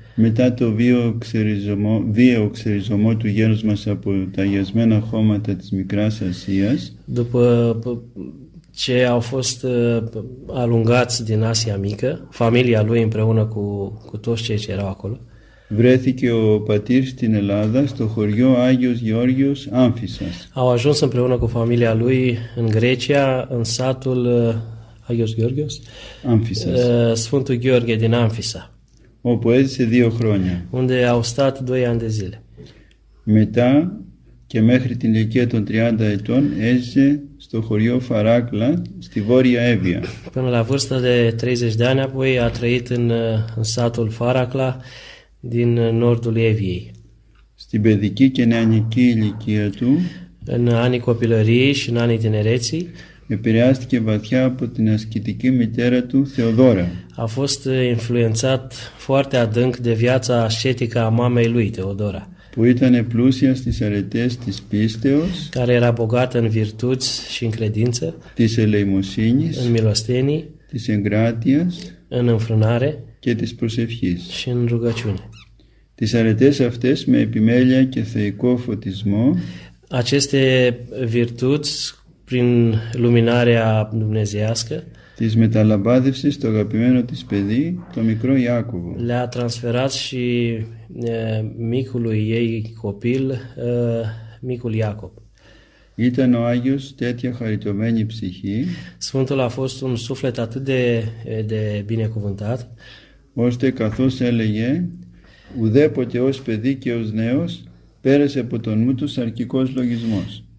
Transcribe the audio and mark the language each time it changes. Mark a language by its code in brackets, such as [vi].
[el] μετά το βίαιο ξεριζωμό του γένους μας από τα αγιασμένα χώματα της Μικράς Ασίας, [ro] după ce au fost alungați din Asia Mică, familia lui împreună cu toți cei ce erau acolo. [el] Βρέθηκε ο πατήρ στην Ελλάδα, στο χωριό Άγιος Γεώργιος Άμφισσας. [ro] Au ajuns împreună cu familia lui în Grecia, în satul Άγιος Γεώργιος [el] Άμφισσας. [ro] Sfântul Gheorghe din Άμφισσα. [el] Όπου έζησε 2 χρόνια. [ro] Unde au stat 2 ani de zile. [el] Μετά και μέχρι την ηλικία των 30 ετών έζησε στο χωριό Φαράκλα, στη Βόρεια Εύβοια. [ro] Până la vârsta de 30 de ani apoi a trăit în satul Φαράκλα, din nordul Εύβοιας. [el] Στην παιδική και νεανική ηλικία του, [ro] în anii copilăriei și în anii tinereții, [el] επηρεάστηκε βαθιά από την ασκητική μητέρα του Θεοδόρα. [ro] A fost influențat foarte adânc de viața ascetică a mamei lui, Teodora. [el] Που ήταν πλούσια στις αρετές της πίστεως, [ro] care era bogată în virtuți și în credință, [el] της ελεημοσύνης, [ro] în milostenii, [el] της εγκράτειας, [ro] în înfrânare, [el] και της προσευχής, [ro] și în rugăciune. [el] Τις αρετές αυτές με επιμέλεια και θεϊκό φωτισμό, [ro] aceste virtuți prin luminarea dumnezeiască, [el] της μεταλαμπάδευσε στο αγαπημένο της παιδί, το μικρό Ιάκωβο. [ro] Le-a transferat și micului ei copil, micul Iacob. [el] Ήταν ο Άγιος τέτοια χαριτωμένη ψυχή, [ro] Sfântul a fost un suflet atât de binecuvântat, [el] ώστε καθώς έλεγε, ουδέποτε ως παιδί και ως νέος, πέρασε από τον μου του σαρκικός λογισμός.